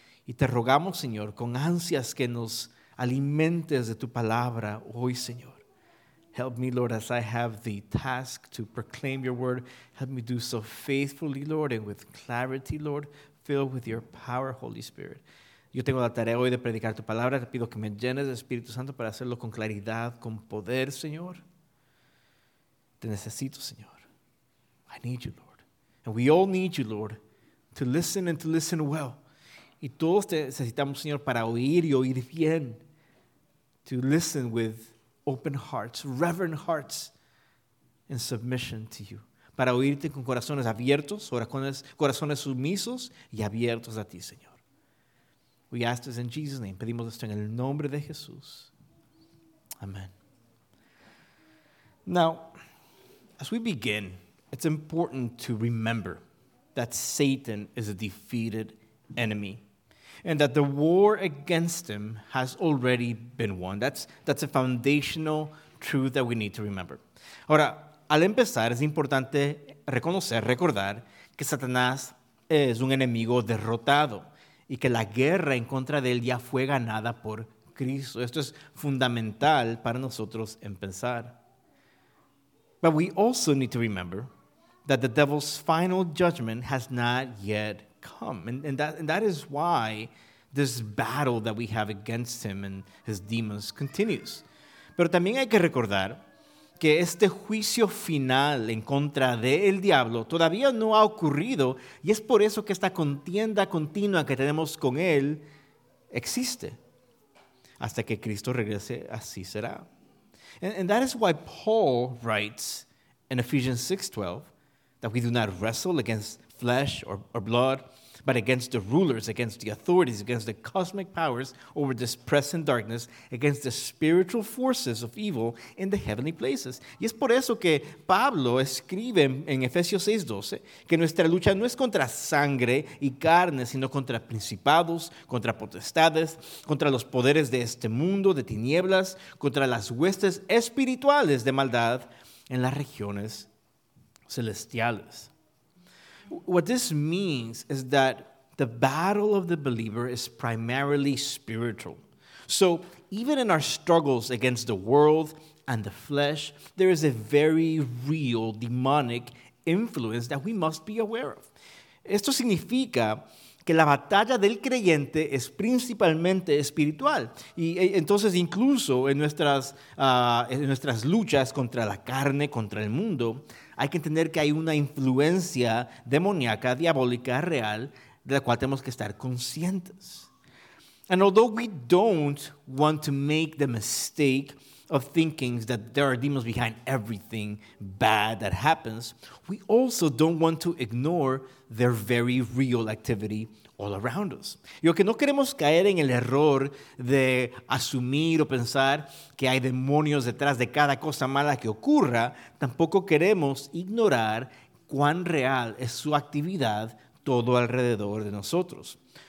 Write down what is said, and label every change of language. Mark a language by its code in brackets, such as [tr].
[es] Y te rogamos, Señor, con ansias que nos alimentes de tu palabra hoy, Señor. [en] Help me, Lord, as I have the task to proclaim your word. Help me do so faithfully, Lord, and with clarity, Lord, filled with your power, Holy Spirit. [es] Yo tengo la tarea hoy de predicar tu palabra. Te pido que me llenes de Espíritu Santo para hacerlo con claridad, con poder, Señor. Te necesito, Señor. [en] I need you, Lord. And we all need you, Lord, to listen and to listen well. [es] Y todos te necesitamos, Señor, para oír y oír bien. [en] To listen with open hearts, reverent hearts, in submission to you. [es] Para oírte con corazones abiertos, corazones sumisos y abiertos a ti, Señor. [en] We ask this in Jesus' name. [es] Pedimos esto en el nombre de Jesús. [en] Amen. Now, as we begin, it's important to remember that Satan is a defeated enemy and that the war against him has already been won. That's a foundational truth that we need to remember. [es] Ahora, al empezar, es importante recordar que Satanás es un enemigo derrotado y que la guerra en contra de él ya fue ganada por Cristo. Esto es fundamental para nosotros empezar. [en] But we also need to remember that the devil's final judgment has not yet come. And that is why this battle that we have against him and his demons continues. [es] Pero también hay que recordar que este juicio final en contra del diablo todavía no ha ocurrido. Y es por eso que esta contienda continua que tenemos con él existe. Hasta que Cristo regrese, así será. [en] And that is why Paul writes in Ephesians 6:12 that we do not wrestle against flesh or blood, but against the rulers, against the authorities, against the cosmic powers over this present darkness, against the spiritual forces of evil in the heavenly places. [es] Y es por eso que Pablo escribe en Efesios 6:12 que nuestra lucha no es contra sangre y carne, sino contra principados, contra potestades, contra los poderes de este mundo de tinieblas, contra las huestes espirituales de maldad en las regiones celestiales. [en] what this means is that the battle of the believer is primarily spiritual. So even in our struggles against the world and the flesh, there is a very real demonic influence that we must be aware of. [es] Esto significa que la batalla del creyente es principalmente espiritual. Y entonces incluso en nuestras luchas contra la carne, contra el mundo, hay que entender que hay una influencia demoníaca, diabólica, real, de la cual tenemos que estar conscientes. [en] And although we don't want to make the mistake of thinking that there are demons behind everything bad that happens, we also don't want to ignore their very real activity all around us. [es] Y aunque no queremos caer en el error de asumir o pensar que hay demonios detrás de cada cosa mala que ocurra, tampoco queremos ignorar cuán real es su actividad todo alrededor de nosotros.